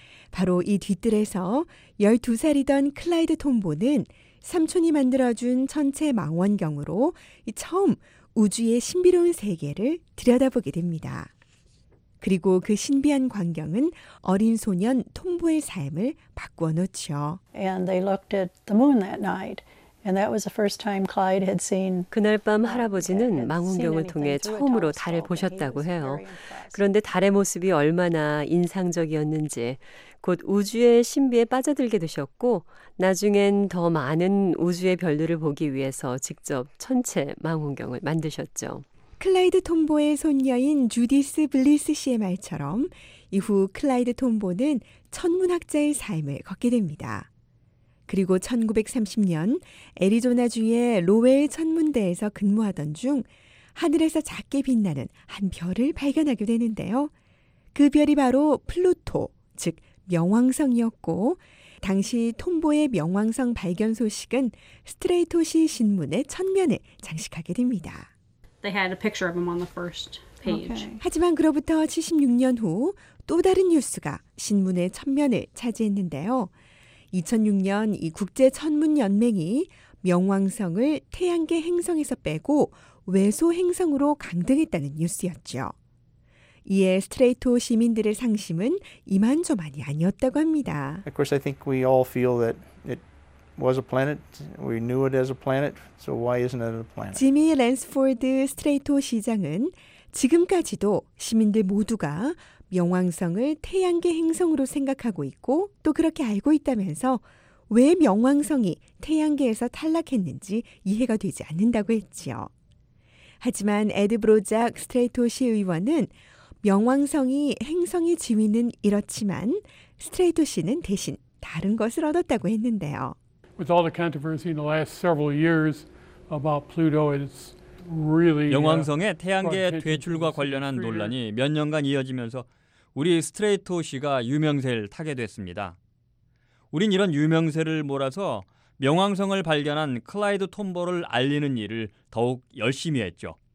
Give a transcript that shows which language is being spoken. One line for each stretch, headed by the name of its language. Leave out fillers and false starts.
Korean: 바로 이 뒤뜰에서 12살이던 클라이드 톰보는 삼촌이 만들어준 천체 망원경으로 처음 우주의 신비로운 세계를 들여다보게 됩니다. 그리고 그 신비한 광경은 어린 소년 톰보의 삶을 바꾸어 놓죠.
English: And they looked at the moon that night. And that was the first time Clyde had seen.
Korean: 그날 밤 할아버지는 망원경을 통해 처음으로 달을 보셨다고 해요. 그런데 달의 모습이 얼마나 인상적이었는지 곧 우주의 신비에 빠져들게 되셨고 나중엔 더 많은 우주의 별들을 보기 위해서 직접 천체 망원경을 만드셨죠. 클라이드 톰보의 손녀인 주디스 블리스 씨의 말처럼 이후 클라이드 톰보는 천문학자의 삶을 걷게 됩니다. 그리고 1930년 애리조나주의 로웰 천문대에서 근무하던 중 하늘에서 작게 빛나는 한 별을 발견하게 되는데요. 그 별이 바로 플루토, 즉 명왕성이었고 당시 톰보의 명왕성 발견 소식은 스트레이토시 신문의 첫면에 장식하게 됩니다.
English: They had a picture of him on the first page. Okay.
Korean: 하지만 그로부터 76년 후 또 다른 뉴스가 신문의 첫면을 차지했는데요. 2006년 이 국제천문연맹이 명왕성을 태양계 행성에서 빼고 외소 행성으로 강등했다는 뉴스였죠. 이에 스트레이토 시민들의 상심은 이만저만이 아니었다고 합니다.
English: Of course, I think we all feel that it was a planet. We knew it as a planet. So why isn't it a planet?
Korean: 지미 랜스포드 스트레이토 시장은 지금까지도 시민들 모두가 명왕성을 태양계 행성으로 생각하고 있고 또 그렇게 알고 있다면서 왜 명왕성이 태양계에서 탈락했는지 이해가 되지 않는다고 했지요. 하지만 에드 브로작 스트레이토시 의원은 명왕성이 행성의 지위는 이렇지만 스트레이토시는 대신 다른 것을 얻었다고 했는데요.
English: With all the controversy in the last several years about Pluto, it's
Korean: 명왕성의 태양계 퇴출과 관련한 논란이 몇 년간 이어지면서 우리 스트레이토시가 유명세를 타게 됐습니다. 우린 이런 유명세를 몰아서 명왕성을 발견한 클라이드 톰보를 알리는 일을 더욱 열심히 했죠.